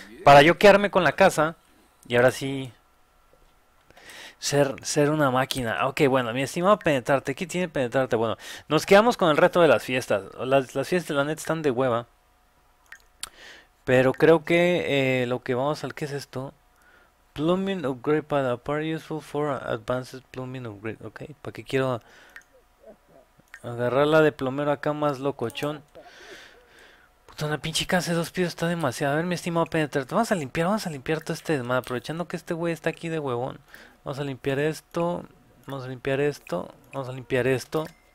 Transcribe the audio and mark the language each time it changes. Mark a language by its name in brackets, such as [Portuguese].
[Spanish] Para yo quedarme con la casa y ahora sí ser una máquina. Ok, bueno, mi estimado Penetrarte, ¿qué tiene Penetrarte? Bueno, nos quedamos con el reto de las fiestas. Las fiestas, la neta, están de hueva. Pero creo que lo que vamos a ver, ¿qué es esto? [English] Plumbing upgrade pad, a part useful for advanced plumbing upgrade. [Spanish] Ok, ¿para qué quiero agarrarla de plomero acá más locochón? Puta, una pinche casa de dos pisos está demasiado. A ver, mi estimado Penetrarte, vamos a limpiar todo este desmadre. Aprovechando que este güey está aquí de huevón. Vamos a limpiar esto. Vamos a limpiar esto. Vamos a limpiar esto.